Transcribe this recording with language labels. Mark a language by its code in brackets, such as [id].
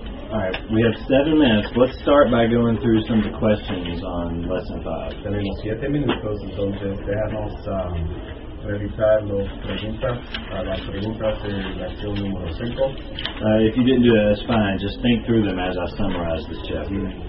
[en] Alright, we have 7 minutes. Let's start by going through some of the questions on lesson 5. [es] Tenemos 7 minutos, entonces déjanos revisar las preguntas en lección número 5. [en] If you didn't do that, that's fine. Just think through them as I summarize this chapter.